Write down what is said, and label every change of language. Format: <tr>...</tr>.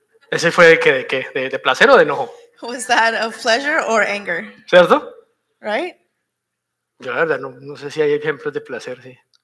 <es>¿Ese fue de placer o de enojo?</es> <en>Was that of pleasure or anger?</en> <es>¿Cierto?</es> <en>Right?</en> <es>Yo la verdad no sé si hay ejemplos de placer, sí.</es>